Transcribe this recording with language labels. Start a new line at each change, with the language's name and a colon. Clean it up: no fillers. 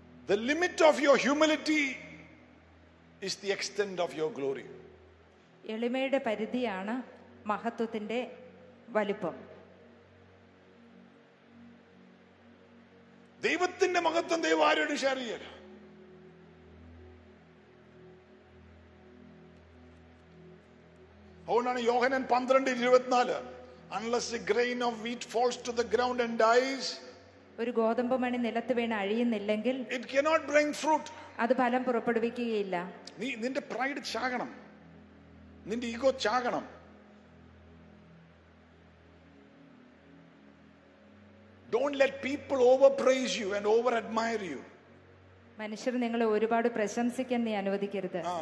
English: The limit of your humility is the extent of your glory.
Malayalam: എളിമയുടെ പരിധിയാണ് മഹത്വത്തിന്റെ വലിപ്പം. ദൈവത്തിന്റെ മഹത്വം ദൈവം ആരോട് ഷെയർ ചെയ്യല്ല. അതുകൊണ്ടാണ് Yohannan
English: 12:24, unless a grain of wheat falls to the ground and dies,
Malayalam: ഒരു ഗോതമ്പ് മണി നിലത്ത് വീണ് അഴിയുന്നില്ലെങ്കിൽ,
English: it cannot bring fruit,
Malayalam: അത് ഫലം പുറപ്പെടുവിക്കുകയില്ല. നീ നിന്റെ പ്രൈഡ് ചാകണം, നിന്റെ ego ചാകണം.
English: Don't let people overpraise you and overadmire you.
Malayalam: മനുഷ്യർ നിങ്ങളെ ഒരുപാട് പ്രശംസിക്കാൻ നീ അനുവദിക്കരുത്.